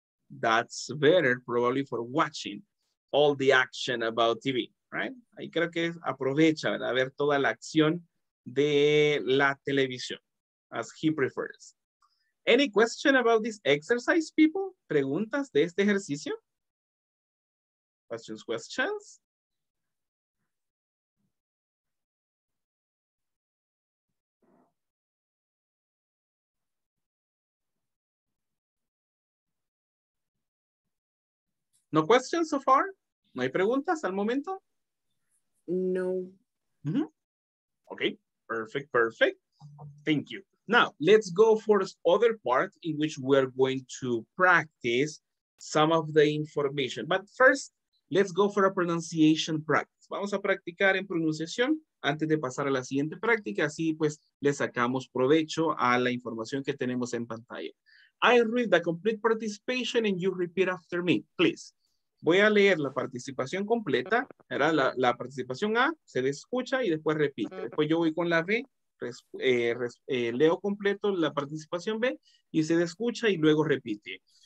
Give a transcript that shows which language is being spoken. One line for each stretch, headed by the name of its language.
English: That's better probably for watching all the action about TV. Right?
Spanish: Ahí creo que aprovecha, ¿verdad? A ver toda la acción de la televisión.
English: As he prefers. Any question about this exercise, people?
Spanish: ¿Preguntas de este ejercicio? Questions?
English: No questions so far?
Spanish: ¿No hay preguntas al momento?
English: No. Mm-hmm. Okay, perfect. Thank you. Now, let's go for the other part in which we're going to practice some of the information. But first, let's go for a pronunciation practice.
Spanish: Vamos a practicar en pronunciación antes de pasar a la siguiente práctica. Así, pues, le sacamos provecho a la información que tenemos en pantalla. I read the complete participation and you repeat after me, please. Voy a leer la participación completa. Era la participación A, se le escucha y después repite. Después yo voy con la B. Leo completo la participación B y se escucha y luego repite.